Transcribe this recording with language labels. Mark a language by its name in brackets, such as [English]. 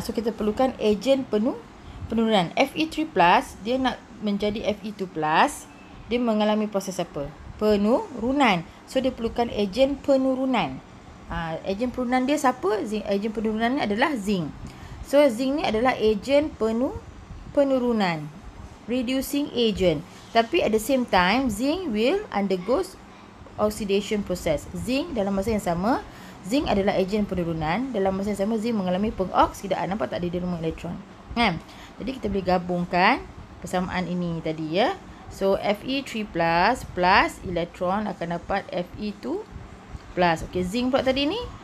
[Malay] So kita perlukan agen penurunan. Fe3+ dia nak menjadi Fe2+, dia mengalami proses apa? Penurunan. So dia perlukan ejen penurunan. Ejen penurunan dia siapa? Zinc. Ejen penurunan ni adalah zinc. So zinc ni adalah ejen penurunan, reducing agent. Tapi [English] at the same time, zinc will undergoes oxidation process. [Malay] Zinc dalam masa yang sama, zinc adalah ejen penurunan, dalam masa yang sama zinc mengalami pengoksidaan. Nampak tak, dia derma elektron, kan? Jadi kita boleh gabungkan persamaan ini tadi, ya. So Fe3+ plus elektron akan dapat Fe2+. Okey, zinc pula tadi ni.